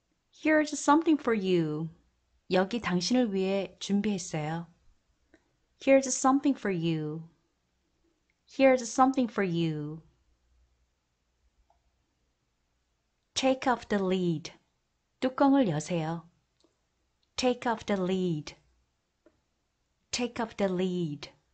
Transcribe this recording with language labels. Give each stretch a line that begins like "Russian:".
English: Here's something for you.
Korean: 여기 당신을 위해 준비했어요.
English: Here's something for you. Here's something for you. Take off the lid.
Korean: 뚜껑을 여세요.
English: Take off the lid. Take off the lid.